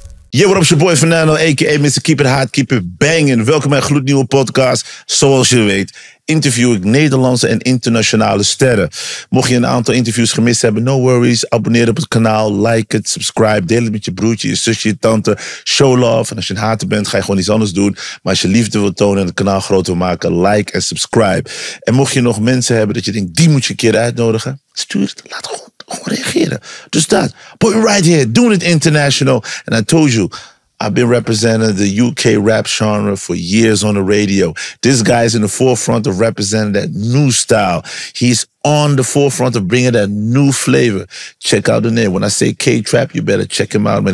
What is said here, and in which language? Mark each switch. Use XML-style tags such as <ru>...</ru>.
<en>Yeah, what up, it's your boy Fernando, a.k.a. Mr. Keep It Hot, Keep It Banging.</en> <nl>Welkom bij een gloednieuwe podcast. Zoals je weet, interview ik Nederlandse en internationale sterren. Mocht je een aantal interviews gemist hebben,</nl> <en>no worries.</en> <nl>Abonneer op het kanaal, like het, subscribe, deel het met je broertje, je zusje, je tante.</nl> <en>Show love.</en> <nl>En als je een hater bent, ga je gewoon iets anders doen. Maar als je liefde wilt tonen en het kanaal groter wil maken, like en subscribe. En mocht je nog mensen hebben dat je denkt, die moet je een keer uitnodigen, stuur het, laat gewoon. Gewoon reageren. Dus dat.</nl> <en>Put it right here. Doing it international. And I told you, I've been representing the UK rap genre for years on the radio. This guy is in the forefront of representing that new style. He's on the forefront of bringing that new flavor. Check out the name. When I say K-Trap, you better check him out, man.</en>